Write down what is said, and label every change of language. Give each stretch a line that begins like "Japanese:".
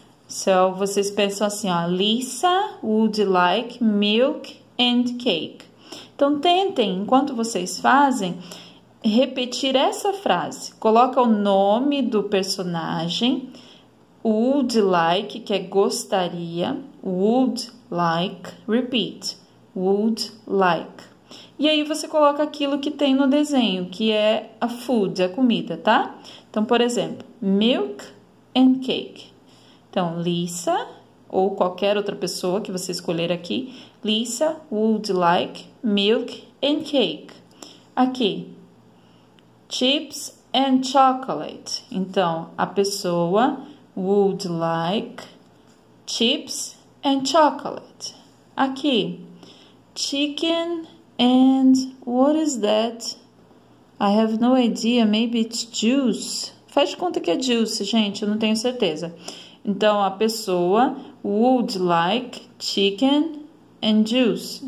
English: So,
Portuguese: vocês pensam assim, ó,
English: Lisa would like milk and cake.
Portuguese: Então, tentem, enquanto vocês fazem, repetir essa frase. Coloca o nome do personagem,
English: would like,
Portuguese: que é gostaria,
English: would like, repeat. Would like.
Portuguese: E aí você coloca aquilo que tem no desenho, que é a food, a comida, tá? Então, por exemplo,
English: milk and cake.
Portuguese: Então, Lisa ou qualquer outra pessoa que você escolher aqui,
English: Lisa would like milk and cake.
Portuguese: Aqui, chips and chocolate. Então, a pessoa
English: would like chips and chocolate. Aqui, chicken and what is that? I have no idea. Maybe it's juice.
Portuguese: Faz de conta que é juice, gente. Eu não tenho certeza. Então, a pessoa
English: would like chicken and juice.